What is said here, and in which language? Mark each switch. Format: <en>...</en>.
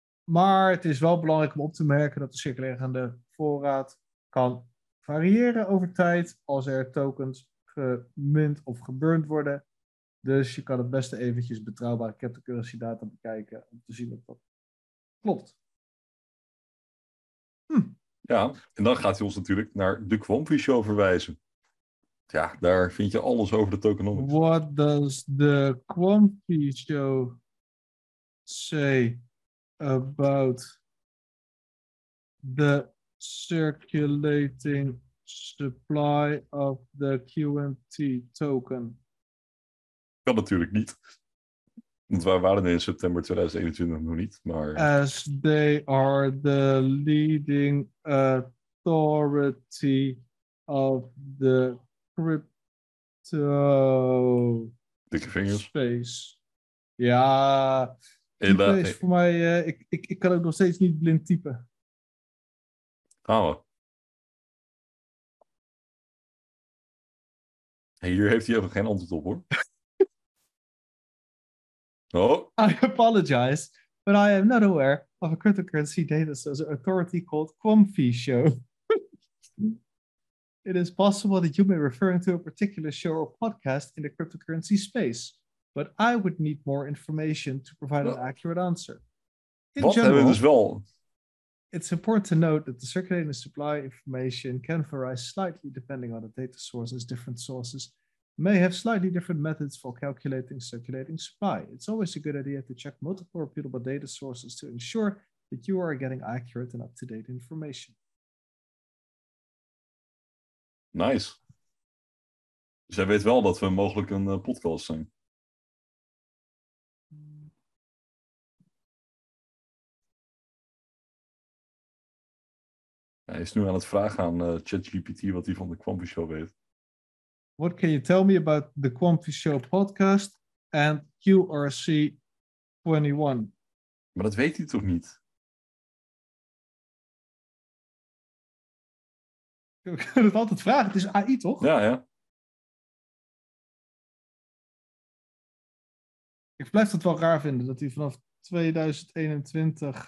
<nl>Maar het is wel belangrijk om op te merken dat de circulerende voorraad kan variëren over tijd als er tokens gemint of geburnd worden. Dus je kan het beste eventjes betrouwbare cryptocurrency data bekijken om te zien of dat klopt. Ja, en dan gaat hij ons natuurlijk naar de Quantum Show verwijzen. Ja, daar vind je alles over de tokenomics.</nl> <en>What does the Quantum Show say about the circulating supply of the QNT token?</en> <nl>Kan natuurlijk niet. Want wij waren in september 2021 nog niet, maar...</nl> <en>As they are the leading authority of the crypto...</en> <nl>Dikke vingers. Space. Ja, dat is voor mij... Ik kan ook nog steeds niet blind typen. Oh. Hey, hier heeft hij even geen antwoord op, hoor. Oh.</nl> <en>I apologize, but I am not aware of a cryptocurrency data source authority called Quamfi Show. It is possible that you may be referring to a particular show or podcast in the cryptocurrency space, but I would need more information to provide an accurate answer. In general, as well. It's important to note that the circulating supply information can vary slightly depending on the data sources. Different sources may have slightly different methods for calculating circulating supply. It's always a good idea to check multiple reputable data sources to ensure that you are getting accurate and up-to-date information.</en> <nl>Nice. Dus hij weet wel dat we mogelijk een podcast zijn. Hij is nu aan het vragen aan ChatGPT wat hij van de Quamfi Show weet.</nl> <en>What can you tell me about the Quamfi Show podcast and QRC 21?</en> <nl>Maar dat weet hij toch niet? We kunnen het altijd vragen, het is AI toch? Ja, ja. Ik blijf het wel raar vinden dat hij vanaf 2021...</nl>